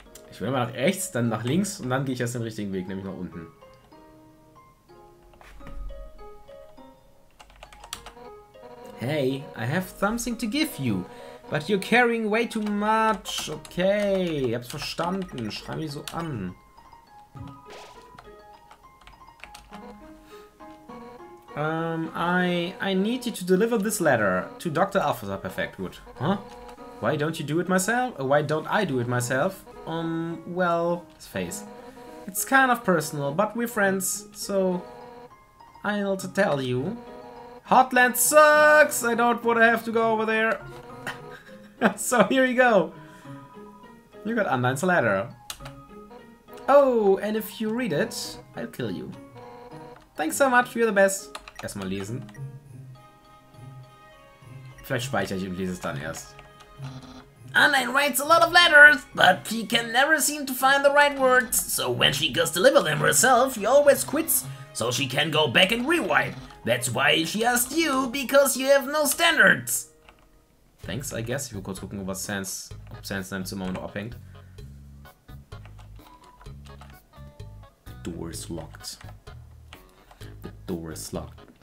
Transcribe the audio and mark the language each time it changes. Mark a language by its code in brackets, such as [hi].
[de] Ich will mal nach rechts, dann nach links und dann gehe ich erst den richtigen Weg, nämlich nach unten. [en] Hey, I have something to give you, but you're carrying way too much. [de] Okay, ich hab's verstanden. Schrei mich so an. [en] I need you to deliver this letter to Dr. Officer. Perfect, gut. Huh? Why don't you do it myself? Why don't I do it myself? Well, his face. It's kind of personal, but we're friends, so I'll tell you. Hotland sucks! I don't want to have to go over there. So here you go. You got Undyne's letter. Oh, and if you read it, I'll kill you. Thanks so much, you're the best. [de] Erstmal lesen. Vielleicht speichere ich und lese es dann erst. [en] Undyne writes a lot of letters, but she can never seem to find the right words. So when she goes to deliver them herself, she always quits, so she can go back and rewrite. That's why she asked you, because you have no standards. Thanks, I guess. [de] Ich will kurz gucken, ob Sans in Zimmer noch abhängt. [en] The door is locked. The door is locked.